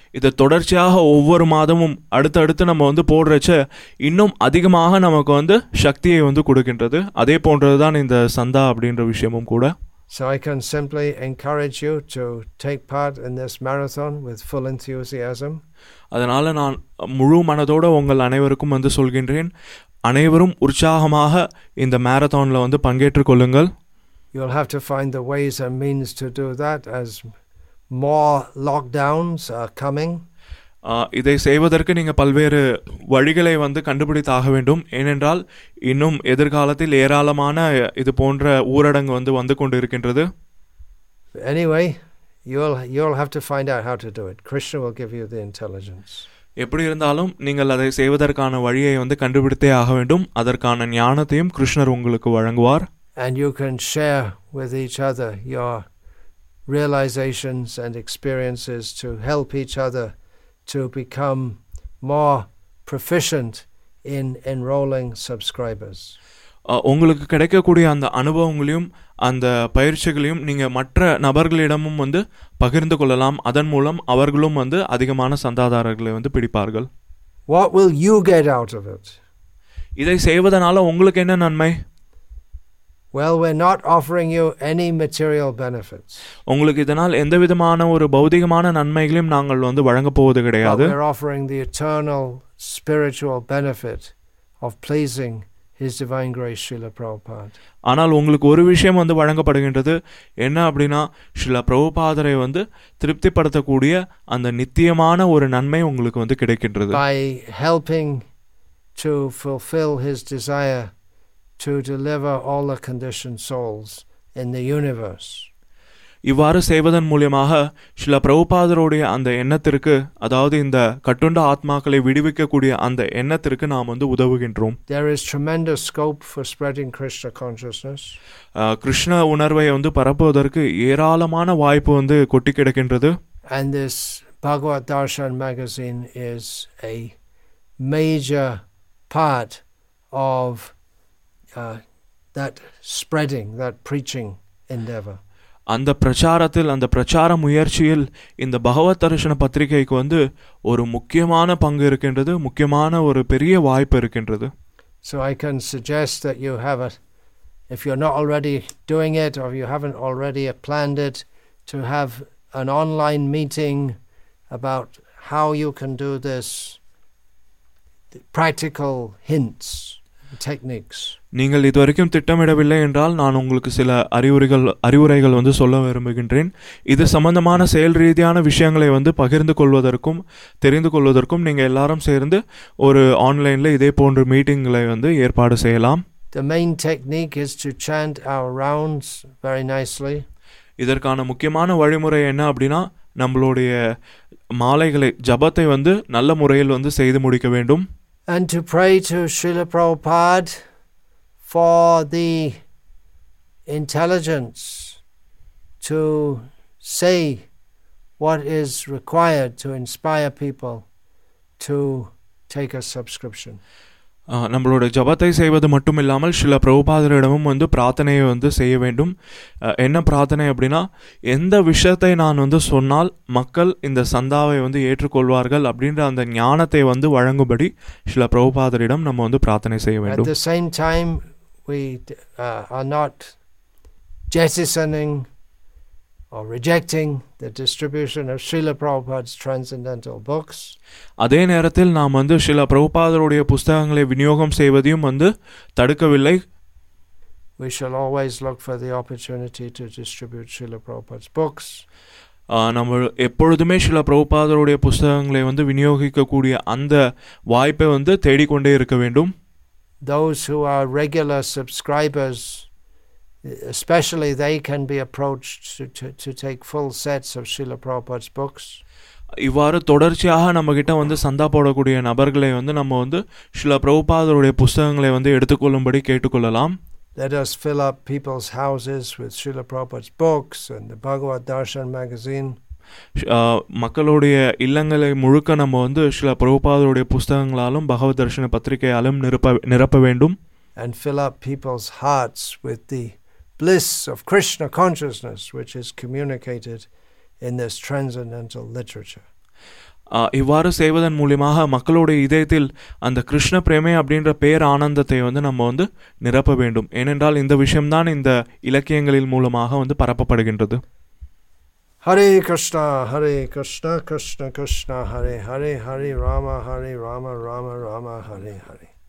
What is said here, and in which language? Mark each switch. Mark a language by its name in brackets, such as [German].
[Tamil] இதை தொடர்ச்சியாக ஒவ்வொரு மாதமும் அடுத்தடுத்து நம்ம வந்து போடுறச்ச இன்னும் அதிகமாக நமக்கு வந்து சக்தியை வந்து கொடுக்கின்றது. அதே போன்றது தான் இந்த சந்தா அப்படின்ற விஷயமும் கூட. [English] So I can simply encourage you to take part in this marathon with full enthusiasm. [Tamil] அதனால நான் முழு மனதோடு உங்கள் அனைவருக்கும் வந்து சொல்கின்றேன், அனைவரும் உற்சாகமாக இந்த மாரத்தானில் வந்து பங்கேற்றுக் கொள்ளுங்கள். [English] You'll have to find the ways and means to do that as more lockdowns are coming. [Tamil] இதை செய்வதற்கு நீங்கள் பல்வேறு வழிகளை வந்து கண்டுபிடித்தாக வேண்டும். ஏனென்றால் இன்னும் எதிர்காலத்தில் ஏராளமான இது போன்ற ஊரடங்கு வந்து கொண்டு இருக்கின்றது. [English] Anyway, you'll have to find out how to do it. Krishna will give you the intelligence. [Tamil] எப்படி இருந்தாலும் நீங்கள் அதை செய்வதற்கான வழியை வந்து கண்டுபிடித்தே ஆக வேண்டும். அதற்கான ஞானத்தையும் கிருஷ்ணர் உங்களுக்கு வழங்குவார். [English] And you can share with each other your realizations and experiences to help each other to become more proficient in enrolling subscribers. [Tamil] உங்களுக்கு கிடைக்கக்கூடிய அந்த அனுபவங்களையும் அந்த பயிற்சிகளையும் நீங்கள் மற்ற நபர்களிடமும் வந்து பகிர்ந்து கொள்ளலாம். அதன் மூலம் அவர்களும் வந்து அதிகமான சந்தாதாரர்களை வந்து பிடிப்பார்கள். [English] What will you get out of it? [Tamil] இதை செய்வதனால உங்களுக்கு என்ன நன்மை? [English] Well, we're not offering you any material benefits. [Tamil] உங்களுக்கு இதனால் எந்த விதமான ஒரு பௌதிகமான நன்மைகளையும் நாங்கள் வந்து வழங்கப் போவது கிடையாது. [English] We're offering the eternal spiritual benefit of pleasing His Divine Grace Srila Prabhupada. [Tamil] ஆனால் உங்களுக்கு ஒரு விஷயம் வந்து வழங்கப்படுகின்றது. என்ன அப்படின்னா ஸ்ரீல பிரபுபாதரை வந்து திருப்திப்படுத்தக்கூடிய அந்த நித்தியமான ஒரு நன்மை உங்களுக்கு வந்து கிடைக்கின்றது. [English] By helping to fulfill His desire to deliver all the conditioned souls in the universe. [Tamil] இவ்வாறு செய்வதன் மூலியமாக ஸ்ரீல பிரபுபாதருடைய அந்த எண்ணத்திற்கு, அதாவது இந்த கட்டுண்ட ஆத்மாக்களை விடுவிக்கக்கூடிய அந்த எண்ணத்திற்கு நாம் வந்து உதவுகின்றோம். [English] There is tremendous scope for spreading Krishna consciousness. [Tamil] Krishna உணர்வை வந்து பரப்புவதற்கு ஏராளமான வாய்ப்பு வந்து கொட்டி கிடக்கின்றது. [English] And this Bhagavad Darshan magazine is a major part of that spreading, that preaching endeavor. [Tamil] அந்த பிரச்சாரத்தில், அந்த பிரச்சார முயற்சியில் இந்த பகவத் தரிசன பத்திரிகைக்கு வந்து ஒரு முக்கியமான பங்கு இருக்கின்றது, முக்கியமான ஒரு பெரிய வாய்ப்பு இருக்கின்றது. [English] So I can suggest that you have a, if you're not already doing it or you haven't already planned it, to have an online meeting about how you can do this, practical hints, techniques. [Tamil] நீங்கள் இதுவரைக்கும் திட்டமிடவில்லை என்றால் நான் உங்களுக்கு சில அறிவுரைகள் வந்து சொல்ல விரும்புகின்றேன். இது சம்பந்தமான செயல் ரீதியான விஷயங்களை வந்து பகிர்ந்து கொள்வதற்கும் தெரிந்து கொள்வதற்கும் நீங்கள் எல்லாரும் சேர்ந்து ஒரு ஆன்லைனில் இதே போன்ற மீட்டிங்களை வந்து ஏற்பாடு செய்யலாம். [English] The main technique is to chant our rounds very nicely. [Tamil] இதற்கான முக்கியமான வழிமுறை என்ன அப்படின்னா, நம்மளுடைய மாலைகளை, ஜபத்தை வந்து நல்ல முறையில் வந்து செய்து முடிக்க வேண்டும். [English] And to pray to Srila Prabhupada for the intelligence to say what is required to inspire people to take a subscription. [Tamil] நம்மளோட ஜபத்தை செய்வது மட்டும் இல்லாமல் ஸ்ரீல பிரபுபாதரிடமும் வந்து பிரார்த்தனையை வந்து செய்ய வேண்டும். என்ன பிரார்த்தனை அப்படின்னா, எந்த விஷயத்தை நான் வந்து சொன்னால் மக்கள் இந்த சந்தாவை வந்து ஏற்றுக்கொள்வார்கள் அப்படின்ற அந்த ஞானத்தை வந்து வழங்கும்படி ஸ்ரீல பிரபுபாதரிடம் நம்ம வந்து பிரார்த்தனை செய்ய வேண்டும். [English] At the same time, we are not jettisoning or rejecting the distribution of Srila Prabhupada's transcendental books. [Tamil] அதே நேரத்தில் நாம் வந்து ஸ்ரீல பிரபுபாதருடைய புத்தகங்களை விநியோகம் செய்வதையும் வந்து தடுக்கவில்லை. [English] We shall always look for the opportunity to distribute Srila Prabhupada's books. [Tamil] நம்ம எப்பொழுதுமே ஸ்ரீல பிரபுபாதருடைய புத்தகங்களை வந்து விநியோகிக்கக்கூடிய அந்த வாய்ப்பை வந்து தேடிக்கொண்டே இருக்க வேண்டும். [English] Those who are regular subscribers, especially they can be approached to take full sets of Srila Prabhupada's books. [Tamil] இவ்வாறு தொடர்ச்சியாக நம்ம கிட்ட வந்து சந்தா போடக்கூடிய நபர்களை வந்து நம்ம வந்து ஸ்ரீல பிரபுபாதருடைய புஸ்தகங்களை வந்து எடுத்துக்கொள்ளும்படி கேட்டுக்கொள்ளலாம். [English] Let us fill up people's houses with Srila Prabhupada's books and the Bhagavad Darshan magazine. [Tamil] மக்களுடைய இல்லங்களை முழுக்க நம்ம வந்து ஸ்ரீல பிரபுபாதருடைய புஸ்தகங்களாலும் பகவத் தர்ஷன பத்திரிகையாலும் நிரப்ப வேண்டும். [English] And fill up people's hearts with the bliss of Krishna consciousness which is communicated in this transcendental literature. [Tamil] இவ்வாறு செய்வதன் மூலமாக மக்களுடைய இதயத்தில் அந்த கிருஷ்ண பிரேமை அப்படின்ற பேர் ஆனந்தத்தை வந்து நம்ம வந்து நிரப்ப வேண்டும். ஏனென்றால் இந்த விஷயம்தான் இந்த இலக்கியங்களின் மூலமாக வந்து பரப்பப்படுகின்றது. [Sanskrit] ஹரே கிருஷ்ணா ஹரே கிருஷ்ணா கிருஷ்ண கிருஷ்ணா ஹரே ஹரே ஹரே ராம ஹரே ராம ராம ராம ஹரே ஹரே.